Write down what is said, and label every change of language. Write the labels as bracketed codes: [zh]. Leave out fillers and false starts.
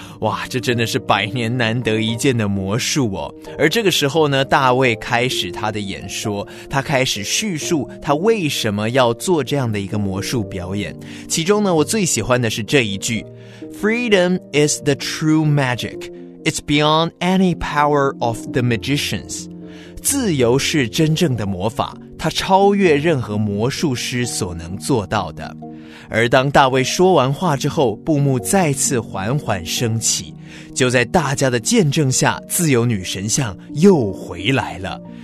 [zh] 哇，这真的是百年难得一见的魔术哦。而这个时候呢，大卫开始他的演说，他开始叙述他为什么要做这样的一个魔术表演。其中呢，我最喜欢的是这一句 [en] Freedom is the true magic. It's beyond any power of the magicians. [zh] 自由是真正的魔法，它超越任何魔术师所能做到的。而当大卫说完话之后，布幕再次缓缓升起，就在大家的见证下，自由女神像又回来了。